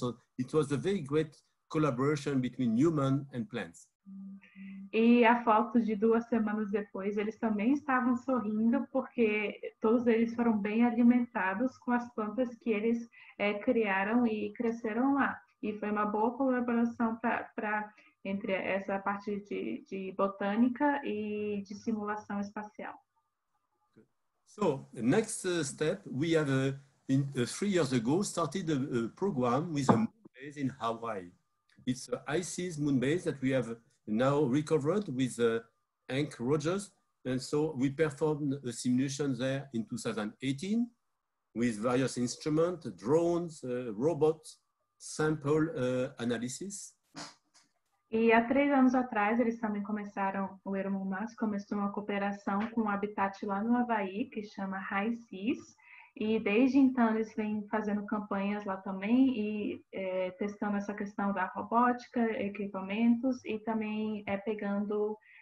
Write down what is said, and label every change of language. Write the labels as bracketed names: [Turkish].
[English] So it was a very great collaboration between human and plants. [Portuguese] E a foto de 2 semanas depois, eles também estavam sorrindo porque todos eles foram bem alimentados com as plantas que eles é, criaram e cresceram lá. E foi uma boa colaboração para entre essa parte de botânica e de simulação espacial. [English] So, next step, we have, in 3 years ago, started a program with a moon base in Hawaii. It's an ICES moon base that we have now recovered with Hank Rogers. And so we performed a simulation there in 2018 with various instruments, drones, robots, sample analysis. [Portuguese] E há 3 anos atrás, eles também começaram, o Euromumas começou uma cooperação com um habitat lá no Havaí, que chama High Seas. E desde então, eles vêm fazendo campanhas lá também e é, testando essa questão da robótica, equipamentos e também é, pegando